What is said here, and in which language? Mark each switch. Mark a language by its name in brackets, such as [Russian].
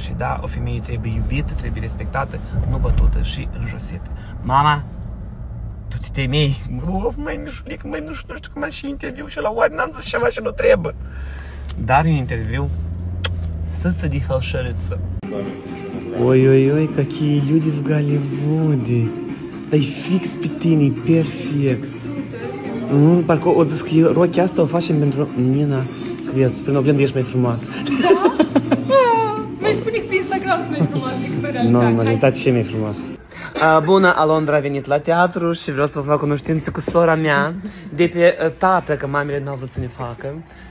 [Romanian] Și da, o femeie trebuie iubită, trebuie respectată, nu bătută și înjosită. Mama, tu te temei? Uf, măi, mișulic, măi, nu știu cum aș fi interviu și la oare n-am zis ceva și nu trebuie. Dar un interviu, să de fălșărâță. [Russian] Oi, oi, oi, какие люди в Голливуде. [Romanian] Dar fix pe tine, perfect. Parcă o zis că rochi asta o facem pentru Nina Crețu. Prin oglindă ești mai frumoasă. Da? Mai spune că pe Instagram nu e frumoasă, e realitate. Nu, ce mai frumos. Bună, Alondra a venit la teatru și vreau să vă fac cunoștință cu sora mea de pe tată, că mamele n-au vrut să ne facă.